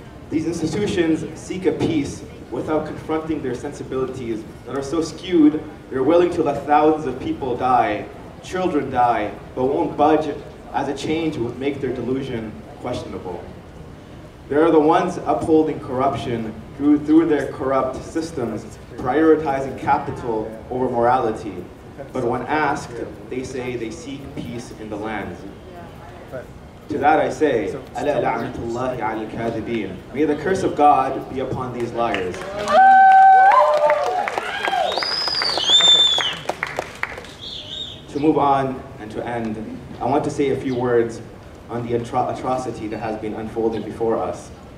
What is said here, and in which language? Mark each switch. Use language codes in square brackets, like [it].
[en] These institutions seek a peace without confronting their sensibilities that are so skewed, they're willing to let thousands of people die, children die, but won't budge as a change would make their delusion questionable. They are the ones upholding corruption through their corrupt systems, prioritizing capital over morality. But when asked, they say they seek peace in the land. To that I say, [ar] أَلَا لَعْنَةُ اللَّهِ عَلَى الْكَاذِبِينَ. [en] May the curse of God be upon these liars. To move on and to end, I want to say a few words on the atrocity that has been unfolding before us.